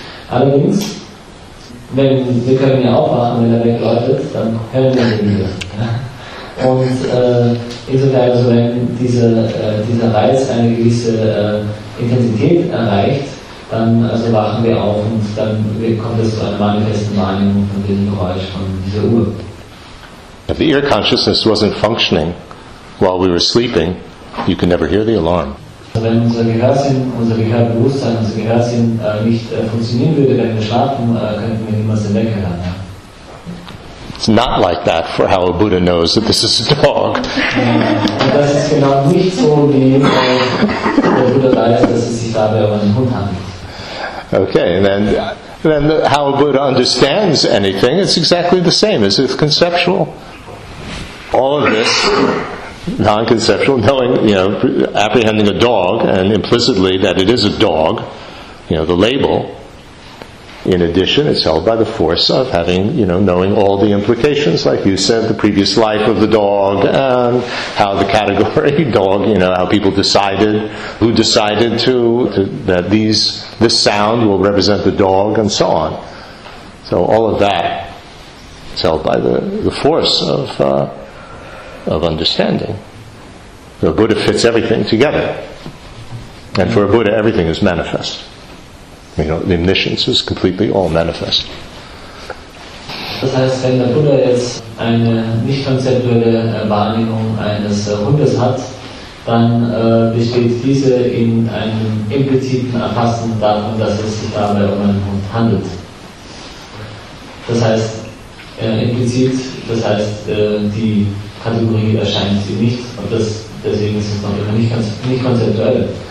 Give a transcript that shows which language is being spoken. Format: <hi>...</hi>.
<de>Allerdings, wenn wir können ja aufwachen, wenn er wegläuft, dann hören wir ihn wieder. Und insofern, also wenn dieser Reiz eine gewisse Intensität erreicht, dann also wachen wir auf und dann kommt es zu einer manifesten Wahrnehmung von diesem Geräusch, von dieser Uhr.</de> <en>The ear consciousness wasn't functioning while we were sleeping, you can never hear the alarm.</en> <de>Wenn unser Gehörbewusstsein nicht funktionieren würde, wenn wir schlafen, könnten wir niemals den Wecker hören.</de> <en>It's not like that for how a Buddha knows that this is a dog.</en> <de>Und das ist genau nicht so, wie der Buddha weiß, dass es sich dabei um einen Hund handelt.</de> <en>Okay, then how a Buddha understands anything, it's exactly the same as if conceptual. All of this non-conceptual, knowing, you know, apprehending a dog, and implicitly that it is a dog, you know, the label, in addition, it's held by the force of having, you know, knowing all the implications, like you said, the previous life of the dog, and how the category dog, you know, how people decided, who decided that this sound will represent the dog, and so on. So all of that is held by the force of understanding. The Buddha fits everything together. And for a Buddha, everything is manifest. You know, the omniscience is completely all manifest.</en> <de>Das heißt, wenn der Buddha jetzt eine nicht konzeptuelle Wahrnehmung eines Hundes hat, dann besteht diese in einem impliziten Erfassen davon, dass es sich dabei um einen Hund handelt. Das heißt, implizit, das heißt, die Kategorie erscheint sie nicht, und deswegen ist es noch immer nicht konzeptuell.</de>